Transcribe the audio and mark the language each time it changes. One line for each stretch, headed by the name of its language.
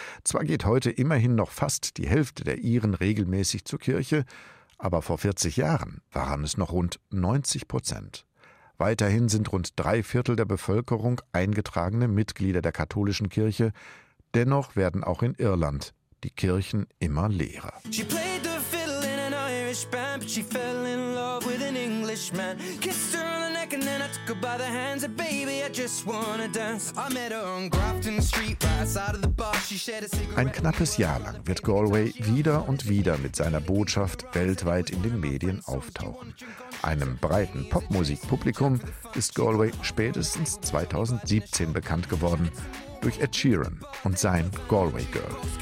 German: Zwar geht heute immerhin noch fast die Hälfte der Iren regelmäßig zur Kirche, aber vor 40 Jahren waren es noch rund 90%. Weiterhin sind rund 3/4 der Bevölkerung eingetragene Mitglieder der katholischen Kirche. Dennoch werden auch in Irland die Kirchen immer leerer.
English: She played the fiddle in an Irish band, but she fell in love with an Englishman. Kissed her on the neck and then I took her by the hands. A baby, I just wanna dance. I met her on Grafton Street, right outside of the bar. She shared a cigarette.
German: Ein knappes Jahr lang wird Galway wieder und wieder mit seiner Botschaft weltweit in den Medien auftauchen. Einem breiten Popmusikpublikum ist Galway spätestens 2017 bekannt geworden durch Ed Sheeran und sein Galway Girl.